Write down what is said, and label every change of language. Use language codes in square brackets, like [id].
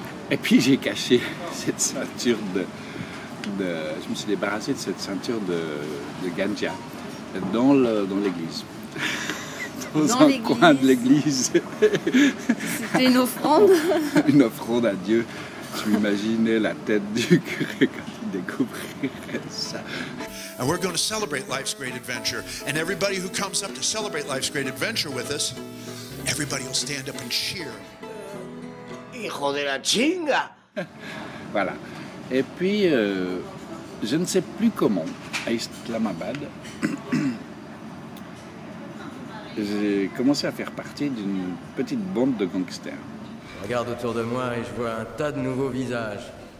[fr] Et puis j'ai caché cette ceinture de je me suis débarrassé de cette ceinture de ganja dans l'église. Dans un coin de l'église. C'était une offrande. Une offrande à Dieu. Je m'imaginais la tête du curé quand il découvrirait ça. [en] And we're going to celebrate life's great adventure. And everybody who comes up to celebrate life's great adventure with us, everybody will stand up and cheer. [es] Hijo de la chinga. [fr] Voilà. Et puis, je ne sais plus comment, à Islamabad, j'ai commencé à faire partie d'une petite bande de gangsters. Je regarde autour de moi et je vois un tas de nouveaux visages.